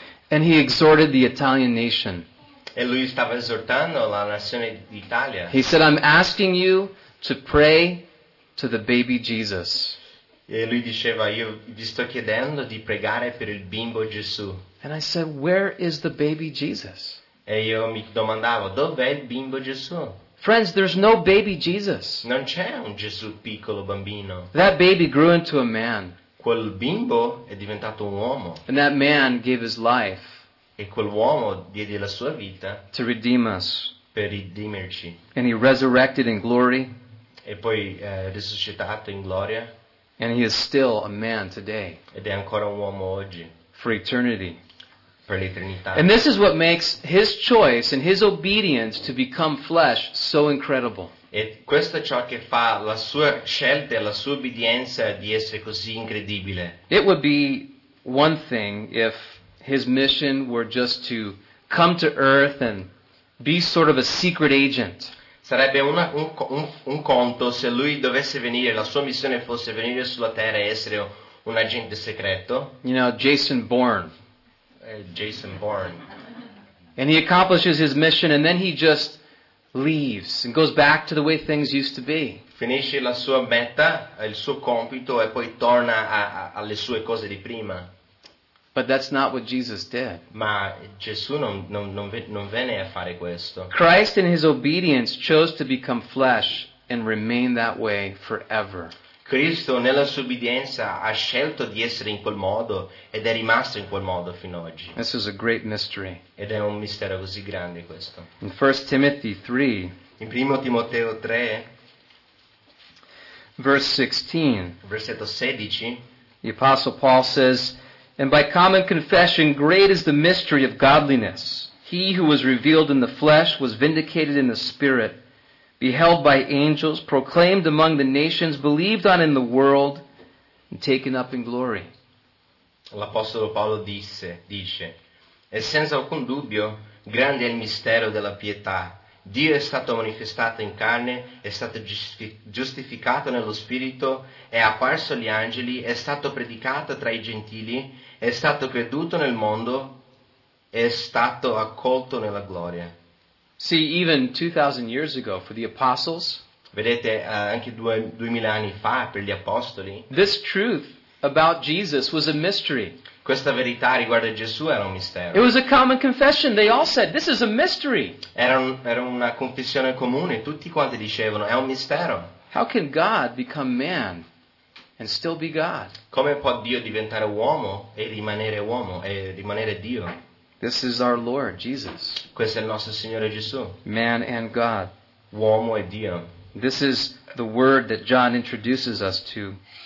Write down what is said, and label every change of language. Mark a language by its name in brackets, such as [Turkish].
[English] And he exhorted the Italian nation. [Italian] E lui stava esortando la nazione d'Italia. [English] He said, "I'm asking you to pray to the baby Jesus." [Italian] E lui diceva, "Io vi sto chiedendo di pregare per il bimbo Gesù." [English] And I said, "Where is the baby Jesus?" [Italian] E io mi domandavo, "Dov'è il bimbo Gesù?" [English] Friends, there's no baby Jesus. [Italian] Non c'è un Gesù piccolo bambino. [English] That baby grew into a man. [Italian] Quel bimbo è diventato un uomo. [English] And that man gave his life. [Italian] E quel uomo diede la sua vita. [English] To redeem us. [Italian] Per redimerci. [English] And he resurrected in glory. [Italian] E poi risuscitato in gloria. [English] And he is still a man today. [Italian] Ed è ancora un uomo oggi. [English] For eternity. [Italian] Per l'eternità. [English] And this is what makes his choice and his obedience to become flesh so incredible. [Italian] E questo è ciò che fa la sua scelta e la sua obbedienza di essere così incredibile. [English] It would be one thing if his mission were just to come to Earth and be sort of a secret agent. [Italian] Sarebbe un conto se lui dovesse venire, la sua missione fosse venire sulla Terra e essere un agente segreto. [English] You know, Jason Bourne. [Italian] Jason Bourne. [English] And he accomplishes his mission and then he just leaves and goes back to the way things used to be. [Italian] Finisce la sua meta, il suo compito e poi torna alle sue cose di prima. [English] But that's not what Jesus did. [Italian] Ma Gesù non venne a fare questo. [English] Christ in his obedience chose to become flesh and remain that way forever. [Italian] Cristo nella sua obbedienza ha scelto di essere in quel modo ed è rimasto in quel modo fino ad oggi. [English] This is a great mystery. [Italian] Ed è un mistero così grande questo. [English] In 1 Timothy 3, [Italian] in 1 Timoteo 3, [English] verse 16, [Italian] versetto 16, [English] the Apostle Paul says, "And by common confession, great is the mystery of godliness. He who was revealed in the flesh was vindicated in the spirit, beheld by angels, proclaimed among the nations, believed on in the world, and taken up in glory." [Italian] L'Apostolo Paolo dice, "E senza alcun dubbio, grande è il mistero della pietà. Dio è stato manifestato in carne, è stato giustificato nello Spirito, è apparso agli angeli, è stato predicato tra i gentili, è stato creduto nel mondo, è stato accolto nella gloria." [English] See, even 2,000 years ago, for the apostles, [Italian] vedete, anche 2,000 anni fa, per gli apostoli, [English] this truth about Jesus was a mystery. [Italian] Questa verità riguardo a Gesù era un mistero. [English] It was a common confession. They all said, "This is a mystery." [Italian] Era una confessione comune. Tutti quanti dicevano, è un mistero. [English] How can God become man and still be God? [Italian] Come può Dio diventare uomo e rimanere uomo e rimanere Dio? [English] This is our Lord Jesus. [Italian] Questo è il nostro Signore Gesù. [English] Man and God. [Italian] Uomo e Dio. [English] This is the word that John introduces us to.